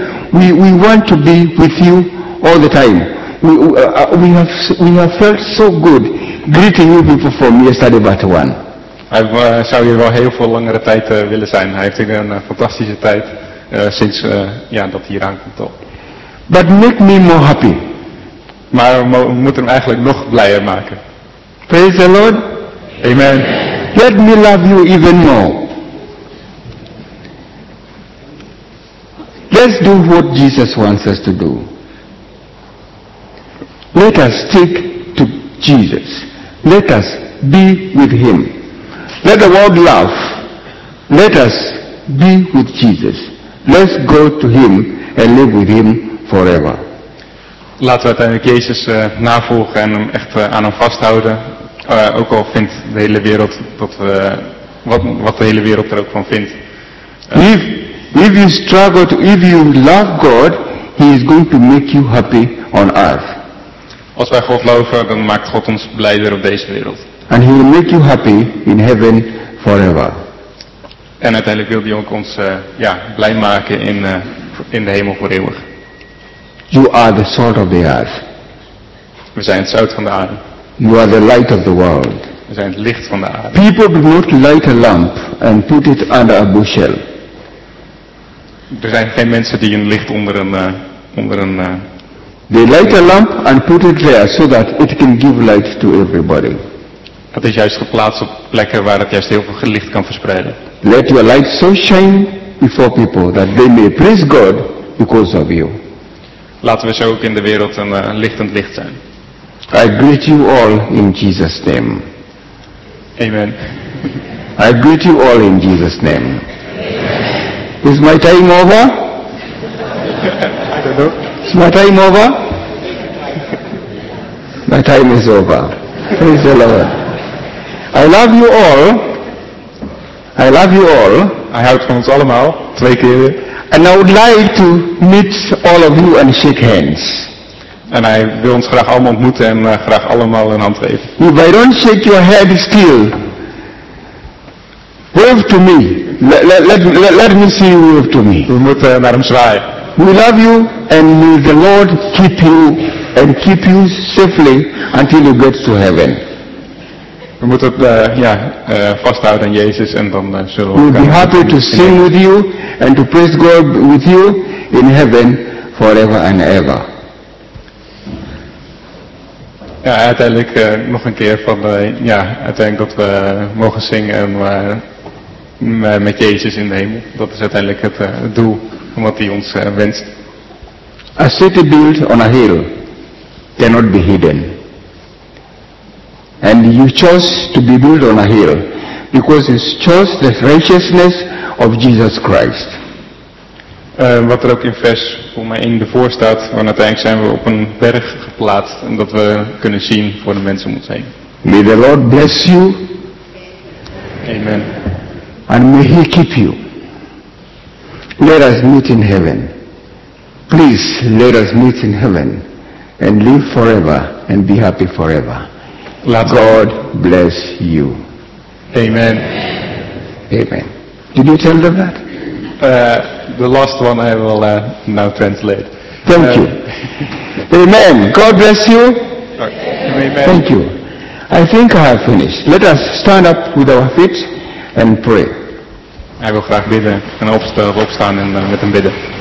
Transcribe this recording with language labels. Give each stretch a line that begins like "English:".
English: We want to be with you all the time. We have felt so good greeting you people from yesterday but one.
Dutch: Hij zou hier wel heel veel langere tijd willen zijn. Hij heeft hier een fantastische tijd sinds ja, dat hij hier aankomt.
English: But make me more happy.
Dutch: Maar we moeten hem eigenlijk nog blijer maken.
English: Praise the Lord. Amen. Let me love you even more. Let's do what Jesus wants us to do. Let us stick to Jesus. Let us be with him. Let the world laugh. Let us be with Jesus. Let's go to him and live with him forever.
Dutch: Laten we uiteindelijk Jezus navolgen en hem echt aan hem vasthouden. Ook al vindt de hele wereld dat we wat de hele wereld er ook van vindt.
English: If you struggle to, if you love God, he is going to make you happy on earth.
Dutch: Als wij God loven, dan maakt God ons blijder op deze wereld.
English: And he will make you happy in heaven forever.
Dutch: En uiteindelijk wil hij ook ons ja, blij maken in de hemel voor eeuwig.
English: You are the salt of the earth.
Dutch: We zijn het zout van de aarde.
English: You are the light of the world.
Dutch: We zijn het licht van de aarde.
English: People do not light a lamp and put it under a bushel.
Dutch: Er zijn geen mensen die een licht onder een
English: They light a lamp and put it there so that it can give light to everybody.
Dutch: Het is juist geplaatst op plekken waar het juist heel veel licht kan verspreiden.
English: Let your light so shine before people that they may praise God because of you.
Dutch: Laten we zo ook in de wereld een lichtend licht zijn.
English: I greet you all in Jesus' name. Amen. I greet you all in Jesus' name. Amen. Is my time over? I don't know. Is my time over? My time is over. Praise the Lord. I love you all. I love you all.
Dutch: I houd van ons allemaal. Twee keer.
English: And I would like to meet all of you and shake hands.
Dutch: En hij wil ons graag allemaal ontmoeten en graag allemaal een hand geven.
English: If I don't shake your head still, wave to me. Let me see you wave to me.
Dutch: We moeten naar hem zwaaien.
English: We love you and may the Lord keep you and keep you safely until you get to heaven.
Dutch: We moeten het vasthouden aan Jezus en dan zullen we.
English: We'll be happy to sing with you and to praise God with you in heaven forever and ever.
Dutch: Ja, uiteindelijk nog een keer van uiteindelijk dat we mogen zingen met Jezus in de hemel. Dat is uiteindelijk het doel van wat hij ons wenst.
English: A city built on a hill cannot be hidden. And you chose to be built on a hill because you chose the righteousness of Jesus Christ.
Dutch: Wat er ook in vers voor mij 1 ervoor staat, want uiteindelijk zijn we op een berg geplaatst en dat we kunnen zien voor de mensen om ons heen.
English: May the Lord bless you. Amen. And may he keep you. Let us meet in heaven. Please let us meet in heaven and live forever and be happy forever. God bless you. Amen. Amen. Did you tell them that? The last one I will now translate. Thank you. Amen. God bless you. Amen. Thank you. I think I have finished. Let us stand up with our feet and pray.
Dutch: I will graag bidden en opstaan en met hem bidden.